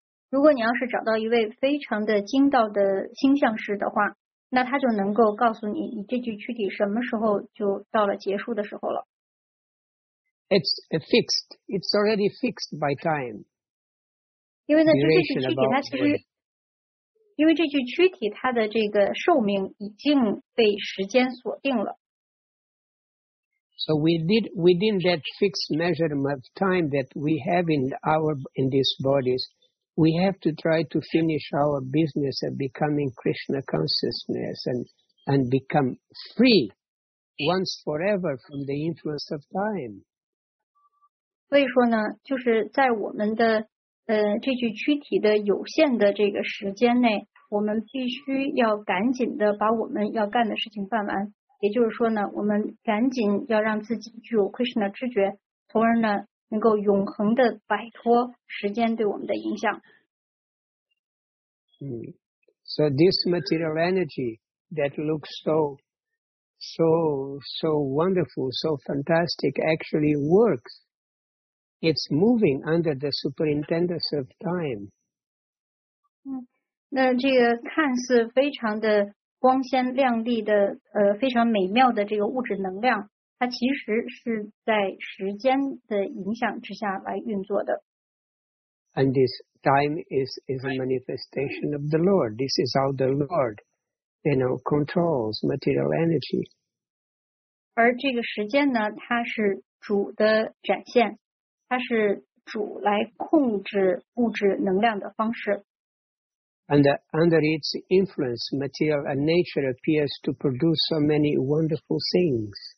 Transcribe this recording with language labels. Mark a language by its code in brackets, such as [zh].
[zh] 如果你要是找到一位非常的精到的星象师的话，那他就能够告诉你，你这句躯体什么时候就到了结束的时候了。 [en] It's fixed. It's already fixed by time. [zh] 因为呢，就这句躯体它其实，因为这句躯体它的这个寿命已经被时间锁定了。 [en] So within that fixed measurement of time that we have in these bodies, we have to try to finish our business of becoming Krishna consciousness and become free once forever from the influence of time. [zh] 所以说呢，就是在我们的这具躯体的有限的这个时间内，我们必须要赶紧的把我们要干的事情办完。也就是说呢，我们赶紧要让自己具有 Krishna 知觉，从而呢能够永恒的摆脱时间对我们的影响。 [en] So this material energy that looks so wonderful, so fantastic, actually works. It's moving under the superintendence of time. [zh] 那这个看似非常的光鲜亮丽的非常美妙的这个物质能量，它其实是在时间的影响之下来运作的。 [en] And this time is a manifestation of the Lord. This is how the Lord, you know, controls material energy. [zh] 而这个时间呢，它是主的展现，它是主来控制物质能量的方式。 [en] And under its influence, material and nature appears to produce so many wonderful things.